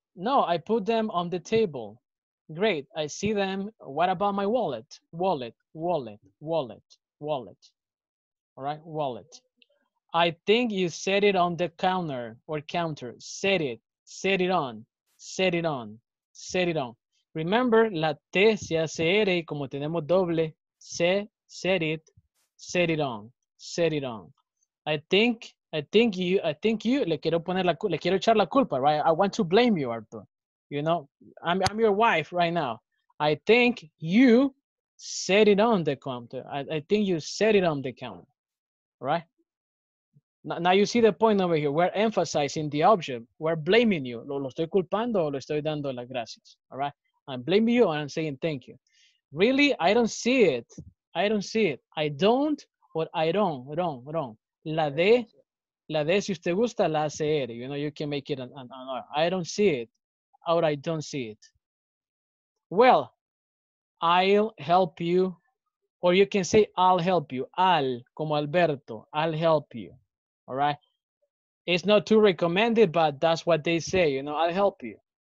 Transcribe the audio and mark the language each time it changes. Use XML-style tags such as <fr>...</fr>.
<en>No, I put them on the table. Great. I see them. What about my wallet? Wallet. Wallet. Wallet. Wallet. All right. Wallet. I think you set it on the counter or counter. Set it on. Remember,</en> <es>la T se hace R y como tenemos doble,</es> <en>set it on. I think you,</en> <es>le quiero echar la culpa,</es> <en>right? I want to blame you, Arthur. You know, I'm your wife right now. I think you set it on the counter. I think you set it on the counter, right? Now you see the point over here. We're emphasizing the object. We're blaming you.</en> <es>Lo estoy culpando o lo estoy dando las gracias.</es> <en>All right? I'm blaming you and I'm saying thank you. Really? I don't see it. I don't see it. I don't or I don't. Wrong, wrong.</en> <es>La de si usted gusta, la hace R.</es> <en>You know, you can make it an R. I don't see it. Or I don't see it. Well, I'll help you. Or you can say, I'll help you. Al, como Alberto. I'll help you. All right. It's not too recommended, but that's what they say. You know, I'll help you.</en>